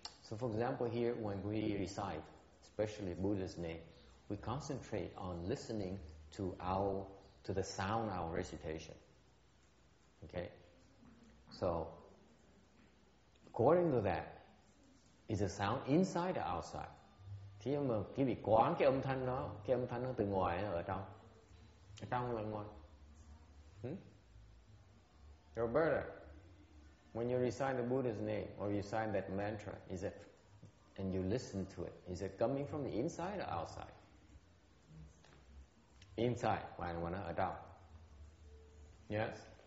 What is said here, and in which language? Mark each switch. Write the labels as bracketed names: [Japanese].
[English] So for example here, when we recite, especially Buddha's name, we concentrate on listening to the sound of our recitation. Okay? So, according to that, is the sound inside or outside? [Vietnamese] Khi mà quý vị quán cái âm thanh đó, cái âm thanh nó từ ngoài hay ở trong? Ở trong là ngoài. [English] Roberta, when you recite the Buddha's name or you recite that mantra, is it, and you listen to it, is it coming from the inside or outside? inside and one out. Yes?